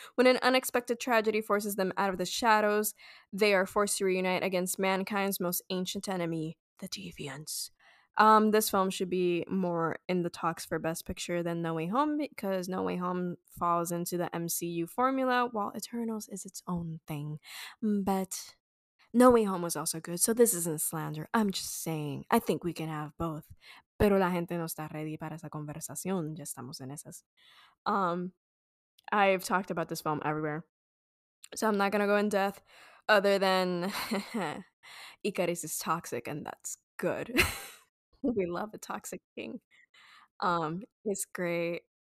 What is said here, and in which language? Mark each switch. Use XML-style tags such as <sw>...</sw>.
<en>When an unexpected tragedy forces them out of the shadows, they are forced to reunite against mankind's most ancient enemy, the Deviants. This film should be more in the talks for Best Picture than No Way Home because No Way Home falls into the MCU formula while Eternals is its own thing. But No Way Home was also good, so this isn't slander. I'm just saying. I think we can have both.</en> <es>Pero la gente no está ready para esa conversación. Ya estamos en esas.</es> <en>I've talked about this film everywhere, so I'm not going to go in depth other than Icarus is toxic and that's good. We love a toxic king. It's great.</en>